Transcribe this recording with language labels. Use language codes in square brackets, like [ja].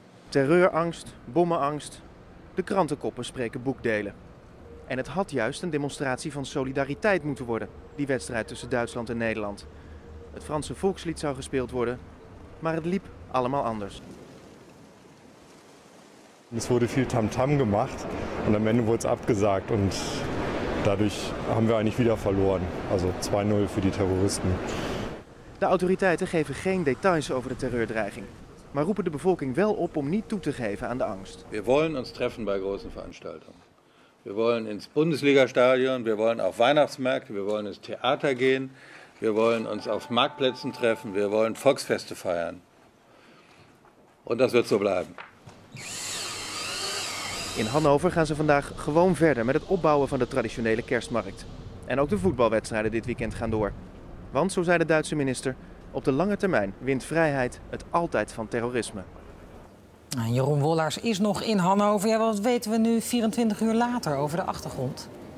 [nl] Terreurangst, bommenangst, de krantenkoppen spreken boekdelen. En het had juist een demonstratie van solidariteit moeten worden, die wedstrijd tussen Duitsland en Nederland. Het Franse volkslied zou gespeeld worden, maar het liep allemaal anders. [de] Es wurde viel Tamtam gemacht und am Ende wurde es abgesagt und dadurch haben wir eigentlich wieder verloren, also 2-0 für die Terroristen. [nl] De autoriteiten geven geen details over de terreurdreiging, maar roepen de bevolking wel op om niet toe te geven aan de angst. [de] Wir wollen uns treffen bei großen Veranstaltungen. Wir wollen ins Bundesligastadion, wir wollen auf Weihnachtsmärkte, wir wollen ins Theater gehen. Wir wollen uns auf Marktplätzen treffen, wir wollen Volksfeste feiern. Und das wird so bleiben. [nl] In Hannover gaan ze vandaag gewoon verder met het opbouwen van de traditionele kerstmarkt. En ook de voetbalwedstrijden dit weekend gaan door. Want, zo zei de Duitse minister, op de lange termijn wint vrijheid het altijd van terrorisme. En Jeroen Wollaars is nog in Hannover. Ja, wat weten we nu 24 uur later over de achtergrond?